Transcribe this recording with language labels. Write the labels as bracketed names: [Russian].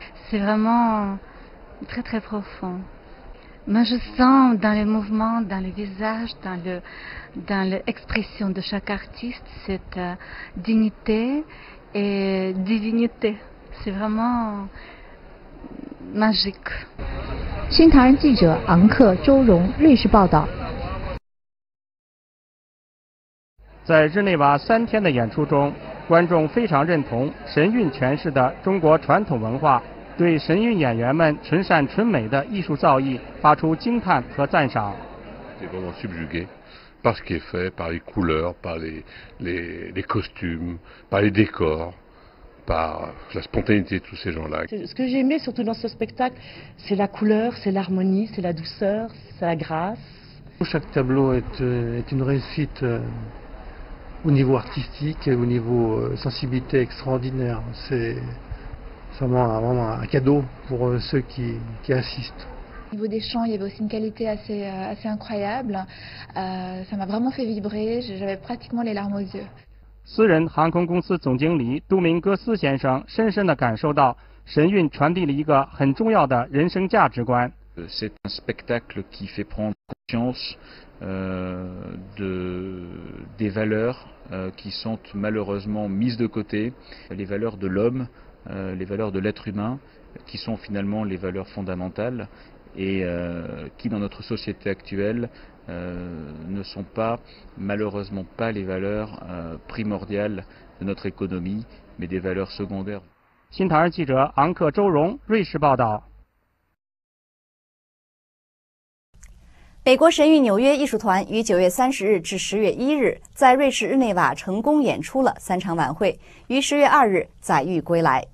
[French] C'est vraiment très très profond. Moi, je sens dans les mouvements, dans le visage, dans l'expression de chaque artiste cette dignité et divinité. C'est vraiment... Magique. [Chinese] 新唐人记者昂克、周荣，瑞士报道。在日内瓦三天的演出中，观众非常认同神韵诠释的中国传统文化，对神韵演员们纯善纯美的艺术造诣发出惊叹和赞赏。 [French] C'est vraiment subjugué par ce qui est fait, par les couleurs, par les costumes, par les décors. Par la spontanéité de tous ces gens-là. Ce que j'ai aimé surtout dans ce spectacle, c'est la couleur, c'est l'harmonie, c'est la douceur, c'est la grâce. Chaque tableau est une réussite au niveau artistique, au niveau sensibilité extraordinaire. C'est vraiment un cadeau pour ceux qui assistent. Au niveau des chants, il y avait aussi une qualité assez incroyable. Ça m'a vraiment fait vibrer, j'avais pratiquement les larmes aux yeux. [Chinese] 私人航空公司总经理杜明戈斯先生深深地感受到神韵传递了一个很重要的人生价值观。 [French] C'est un spectacle qui fait prendre conscience des valeurs qui sont malheureusement mises de côté, les valeurs de l'homme, les valeurs de l'être humain, qui sont finalement les valeurs fondamentales et qui dans notre société actuelle,ne sont pas, malheureusement pas, les valeurs primordiales de notre économie, mais des valeurs secondaires. [Chinese] 新唐人记者昂克周荣，瑞士报道。美国神韵纽约艺术团于9月30日至10月1日在瑞士日内瓦成功演出了三场晚会，于10月2日载誉归来。